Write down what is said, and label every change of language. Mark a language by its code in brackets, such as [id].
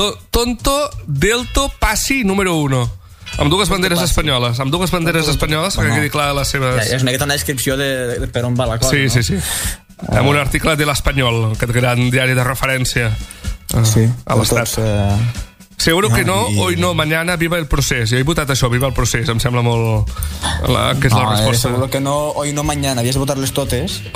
[es] Tonto del Topa Siempre número 1. [ca] Amb dues banderes espanyoles. Amb dues banderes espanyoles, perquè quedi clar les seves... Ja, és una mica una descripció de per on va la cosa, sí, no? Sí. Amb un article de l'Espanyol, aquest gran diari de referència. Sí, a l'estat. [es] Seguro que no, hoy no, mañana, viva el procés. [ca] Jo he votat això, viva el procés, em sembla molt... que és la resposta. [es] Seguro que no, hoy no, mañana, [ca] havies de votar-les totes.